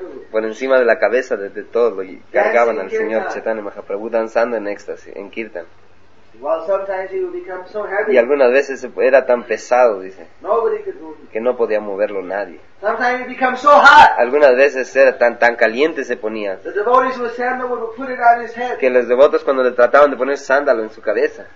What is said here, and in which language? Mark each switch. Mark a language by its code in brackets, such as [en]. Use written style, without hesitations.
[es] Por encima de la cabeza de todos lo cargaban al Señor Chaitanya Mahaprabhu danzando en éxtasis, en Kirtan. [en] Well, sometimes he would become so heavy. [es] Y algunas veces era tan pesado, dice. [en] Nobody could move him. [es] Que no podía moverlo nadie. [en] Sometimes he would become so hot. [es] Algunas veces era tan caliente se ponía. [en] The devotees with sandal would put it on his head. [es] Que los devotos cuando le trataban de poner sándalo en su cabeza.